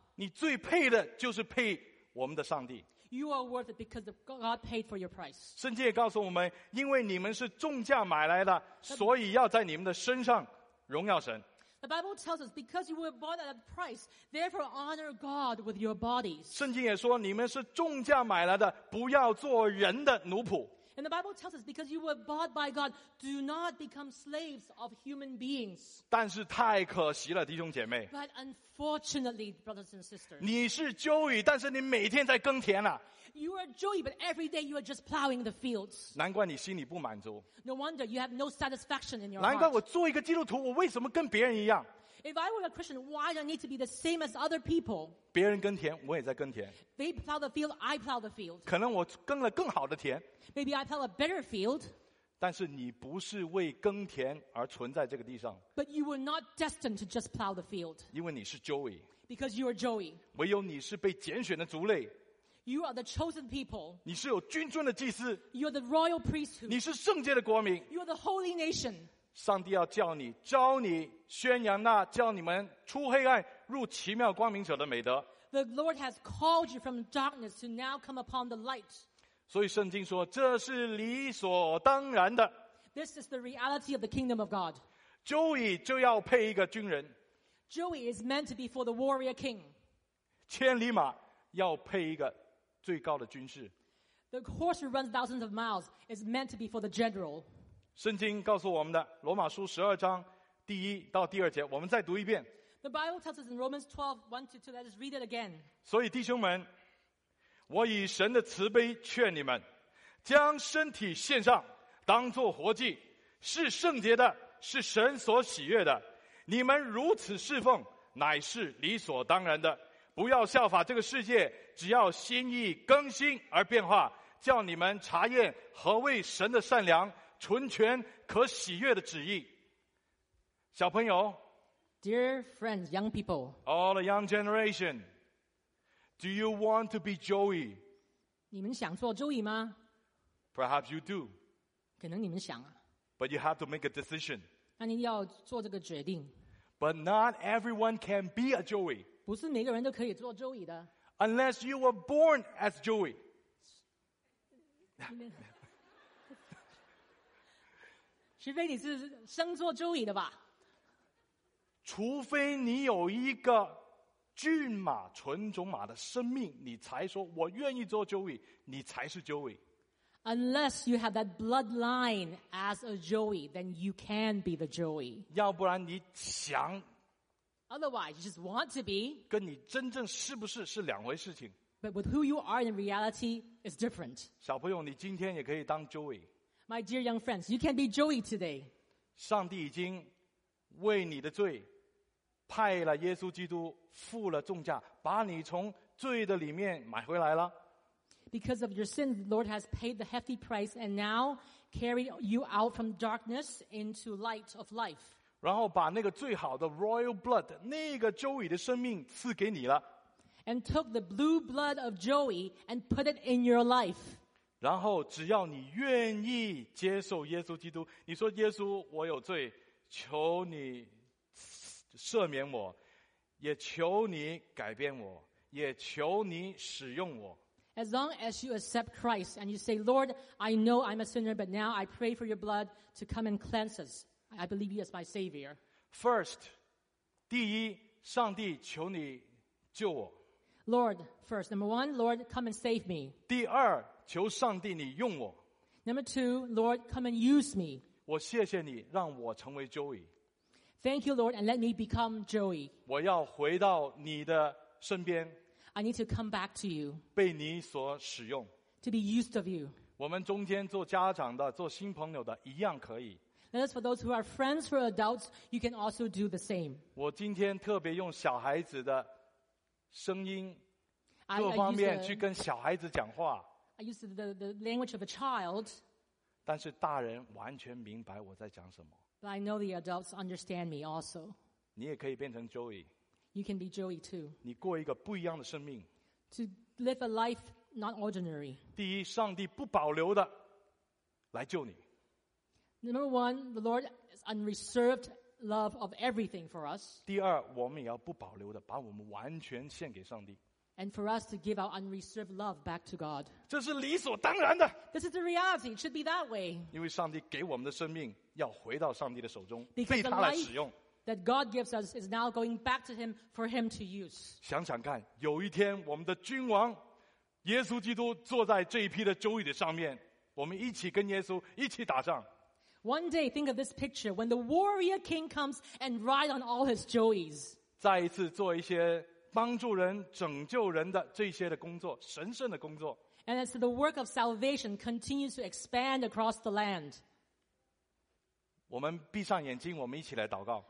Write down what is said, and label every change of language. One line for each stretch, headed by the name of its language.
Chinese: 你最配的就是配我们的上帝。
English: You are worth it because God paid for your price.
Chinese: 圣经也告诉我们，因为你们是重价买来的，所以要在你们的身上荣耀神。
English: The Bible tells us because you were bought at a price, therefore honor God with your bodies.
Chinese: 圣经也说你们是重价买来的，不要做人的奴仆。
English: And the Bible tells us because you were bought by God, do not become slaves of human beings.
Chinese: 但是太可惜了，弟兄姐妹。
English: But unfortunately, brothers and sisters.
Chinese: 你是鸠羽，但是你每天在耕田啊。
English: You are Joey, but every day you are just plowing the fields.
Chinese: 难怪你心里不满足。
English: No wonder you have no satisfaction in your heart.
Chinese: 难怪我做一个基督徒，我为什么跟别人一样？
English: If I were a Christian, why do I need to be the same as other people?
Chinese: 别人耕田，我也在耕田。
English: They plow the field, I plow the field.
Chinese: 可能我耕了更好的田。
English: Maybe I plow a better field.
Chinese: 但是你不是为耕田而存在这个地上。
English: But you were not destined to just plow the field.
Chinese: 因为你是 Joey.
English: Because you are Joey.
Chinese: 唯有你是被拣选的族类。
English: You are the chosen people.
Chinese: 你是有君尊的祭司。
English: You are the royal priesthood.
Chinese: 你是圣洁的国民。
English: You are the holy nation.
Chinese: 上帝要叫你教你宣扬那叫你们出黑暗入奇妙光明者的美德。
English: The Lord has called you from darkness to now come upon the light.
Chinese: 所以圣经说这是理所当然的。
English: This is the reality of the kingdom of God.
Chinese: Joey 就要配一个军人。
English: Joey is meant to be for the warrior king.
Chinese: 千里马要配一个最高的军士。
English: The horse who runs thousands of miles is meant to be for the general.
Chinese: 圣经告诉我们的罗马书十二章第一到第二节我们再读一遍
English: The Bible tells us in Romans 12 1 to 2 Let us read it again
Chinese: 所以弟兄们我以神的慈悲劝你们将身体献上当作活祭是圣洁的是神所喜悦的你们如此侍奉乃是理所当然的不要效法这个世界只要心意更新而变化叫你们查验何为神的善良纯全可喜悦的旨意小朋友
English: Dear friends, young people All the young generation Do you want to be Joey?
Chinese: 你们想做 Joey 吗
English: Perhaps you do
Chinese: 可能你们想啊
English: But you have to make a decision
Chinese: 那你要做这个决定
English: But not everyone can be a Joey
Chinese: 不是每个人都可以做 Joey 的
English: Unless you were born as Joey
Chinese: 除非你是生做周乙的吧除非你有一个骏马纯种马的生命你才说我愿意做周乙你才是周乙
English: Unless you have that bloodline as a Joey then you can be the Joey
Chinese: 要不然你想
English: Otherwise you just want to be
Chinese: 跟你真正是不是是两回事情
English: But with who you are in reality is different
Chinese: 小朋友你今天也可以当周乙
English: My dear young friends, you can be Joey today.
Chinese: 上帝已经为你的罪派了耶稣基督付了重价把你从罪的里面买回来了。
English: Because of your sins, the Lord has paid the hefty price and now carry you out from darkness into light of life.
Chinese: 然后把那个最好的
English: royal blood,
Chinese: 那个州里的生命赐给你了。
English: And took the blue blood of Joey and put it in your life.
Chinese: 然后只要你愿意接受耶稣基督，你说耶稣，我有罪，求你赦免我，也求你改变我，也求你使用我。
English: As long as you accept Christ and you say, Lord, I know I'm a sinner, but now I pray for your blood to come and cleanse us. I believe you as my Savior. First,
Chinese: 第一，上帝求你救我。
English: Lord, first, number one, Lord, come and save me.
Chinese: 第二，求上帝你用我。
English: Number two, Lord, come and use me.
Chinese: 我谢谢你让我成为 Joey.
English: Thank you, Lord, and let me become Joey.
Chinese: 我要回到你的身边。
English: I need to come back to you.
Chinese: 被你所使用。
English: To be used of you.
Chinese: 我们中间做家长的，做新朋友的，一样可以。
English: And as for those who are friends or adults, you can also do the same.
Chinese: 我今天特别用小孩子的声音，各方面去跟小孩子讲话。
English: I use the language of a child.
Chinese: 但是大人完全明白我在讲什么。
English: But I know the adults understand me also.
Chinese: 你也可以变成 Joey.
English: You can be Joey too.
Chinese: 你过一个不一样的生命。
English: To live a life not ordinary.
Chinese: 第一，上帝不保留的来救你。
English: Number one, the Lord is unreserved love of everything for us.
Chinese: 第二，我们也要不保留的把我们完全献给上帝。
English: And for us to give our unreserved love back to God.
Chinese: 这是理所当然的。
English: This is the reality. It should be that way.
Chinese: 因为上帝给我们的生命要回到上帝的手中，被他来使用。
English: That God gives us is now going back to Him for Him to use.
Chinese: 想想看，有一天我们的君王耶稣基督坐在这一批的Joey的上面，我们一起跟耶稣一起打仗。
English: One day, think of this picture when the warrior king comes and ride on all his Joeys.
Chinese: 再一次做一些帮助人、拯救人的这些的工作，神圣的工作。
English: And as the work of salvation continues to expand across the land.
Chinese: 我们闭上眼睛，我们一起来祷告。